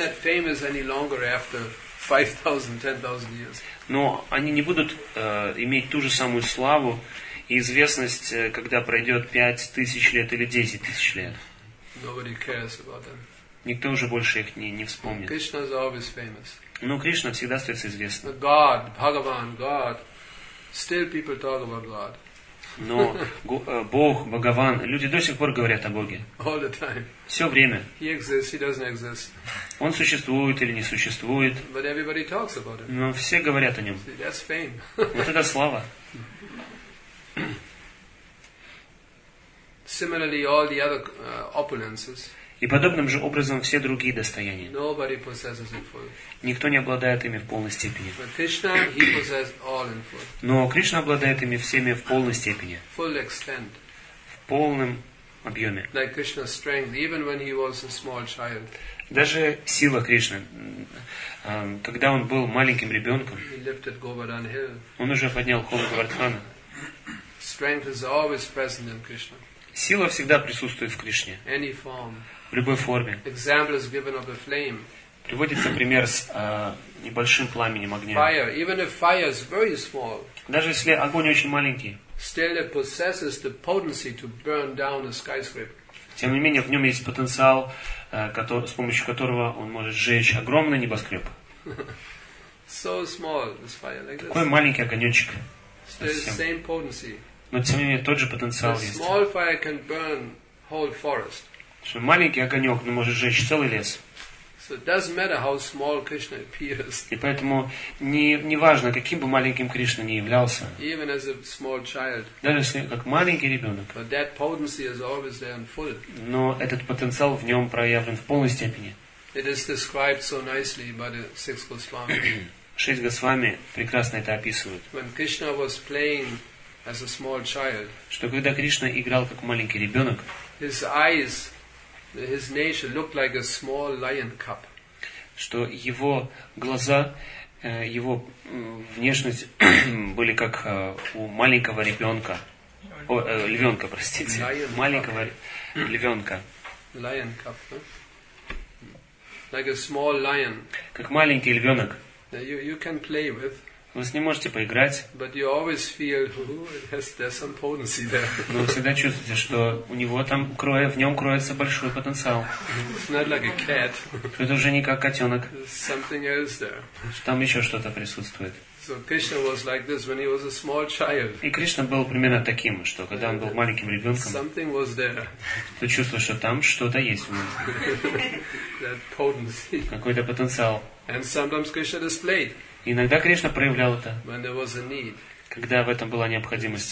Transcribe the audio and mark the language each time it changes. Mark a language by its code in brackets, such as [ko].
[en] They're not famous any longer after 5,000-10,000 years. [ru] Но они не будут иметь ту же самую славу и известность, когда пройдет 5,000 лет или 10,000 лет. [en] Nobody cares about them. [ru] Никто уже больше их не вспомнит. [en] Krishna is always famous. [ru] Но Кришна всегда остается известным. [en] The God, Bhagavan, God, still people talk about God. [ru] Но Бог, Бхагаван, люди до сих пор говорят о Боге. [en] All the time. [ru] Все время. [en] He exists, he doesn't exist. [ru] Он существует или не существует. [en] But everybody talks about him. [ru] Но все говорят о нем. [en] See, that's fame. [ru] Вот это слава. [en] Similarly, all the other opulences. [ru] И подобным же образом все другие достояния. [en] Nobody possesses it fully. [ru] Никто не обладает ими в полной степени. [en] But Krishna, he possesses all in full. [ru] Но Кришна обладает ими всеми в полной степени. [en] Full extent. [ru] В полном объеме. [en] Like Krishna's strength, even when he was a small child. [ru] Даже сила Кришны, когда он был маленьким ребенком, [en] he lifted Govardhan Hill. [ru] Он уже поднял холм Говардхана. [en] Strength is always present in Krishna. [ru] Сила всегда присутствует в Кришне. [en] Any form. [ru] В любой форме. [en] Example is given of a flame. [ru] Приводится пример с небольшим пламенем огня. [en] Fire. Even if fire is very small, [ru] даже если огонь очень маленький, [en] still it possesses the potency to burn down a skyscraper. [ru] Тем не менее, в нем есть потенциал, с помощью которого он может сжечь огромный небоскреб. [en] So small, this fire, like this. [ru] Такой маленький огонечек. [en] Still the same potency. [ru] Но тем не менее, тот же потенциал есть. [en] Small fire can burn whole forest. [ru] Что маленький огонек, но может сжечь целый лес. [en] So it doesn't matter how small Krishna appears. [ru] И поэтому не важно, каким бы маленьким Кришна ни являлся. [en] Even as a small child. [ru] Даже если как маленький ребенок. [en] But that potency is always there in full. [ru] Но этот потенциал в нем проявлен в полной степени. [en] It is described so nicely by the six Goswami. [ru] Шесть Госвами прекрасно это описывают. [en] When Krishna was playing as a small child. [ru] Что когда Кришна играл как маленький ребенок. [en] His eyes. His nature looked like a small lion cub. [ru] Что его глаза, его внешность были как у маленького ребенка, львенка, простите, маленького львенка. [en] Lion cub, huh? Like a small lion. [ru] Как маленький львенок. [en] that you can play with. [ru] Вы с ним можете поиграть. [en] But you always feel, there's some potency there. [ru] Но вы всегда чувствуете, что у него там в нем кроется большой потенциал. [en] It's not like a cat. [ru] Это уже не как котенок. [en] Something else there. [ru] Там еще что-то присутствует. [en] So Krishna was like this when he was a small child. [ru] И Кришна был примерно таким, что когда он был маленьким ребенком. [en] Something was there. [ru] Ты чувствуешь, что там что-то есть в нем. [en] That potency. [ru] Какой-то потенциал. [en] And sometimes Krishna displayed. [ru] Иногда Кришна проявлял это, [en] when there was a need, [ru] когда в этом была необходимость.